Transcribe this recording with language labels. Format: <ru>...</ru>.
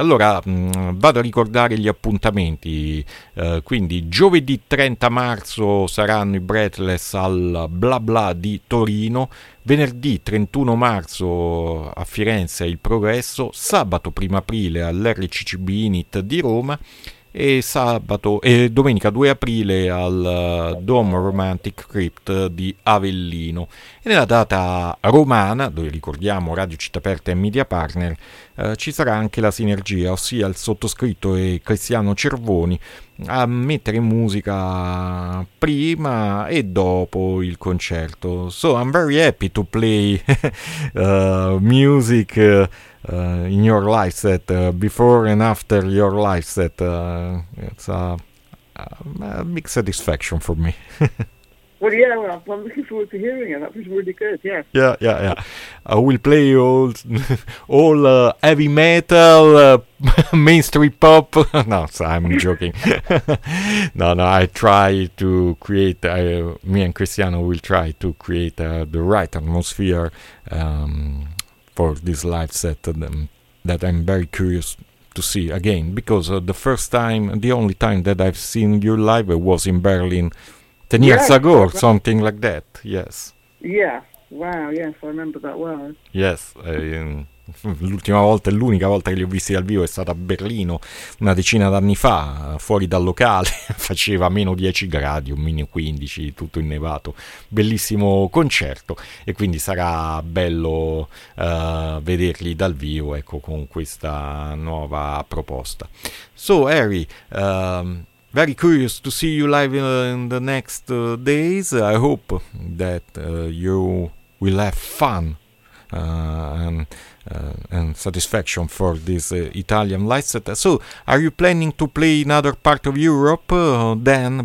<it>Allora vado a ricordare gli appuntamenti, quindi giovedì 30 marzo saranno i Breathless al Bla Bla di Torino, venerdì 31 marzo a Firenze il Progresso, sabato 1 aprile all'RCCB Init di Roma e sabato e domenica 2 aprile al Dome Romantic Crypt di Avellino. E nella data romana, dove ricordiamo Radio Città Aperta e Media Partner, ci sarà anche la Sinergia, ossia il sottoscritto e Cristiano Cervoni, a mettere in musica prima e dopo il concerto.</it> <en>So I'm very happy to play music in your life set, before and after your life set. It's a big satisfaction for me. Well, yeah, well, I'm looking forward to hearing it. That was really good, yes. Yeah, yeah, yeah. I will play all heavy metal, mainstream pop. No, I'm joking. No, I try to create, me and Cristiano will try to create the right atmosphere for this live set that I'm very curious to see again, because the first time, the only time that I've seen you live was in Berlin 10 yes, years ago or something like that. Yes. Yeah. Wow. Yes, I remember that well. Yes.</en> <it>L'ultima volta e l'unica volta che li ho visti dal vivo è stata a Berlino una decina d'anni fa, fuori dal locale, faceva meno 10 gradi o meno 15, tutto innevato, bellissimo concerto, e quindi sarà bello vederli dal vivo, ecco, con questa nuova proposta.</it> <en>So Harry, very curious to see you live in the next days. I hope that you will have fun and satisfaction for this Italian live set. So, are you planning to play in other part of Europe then?</en>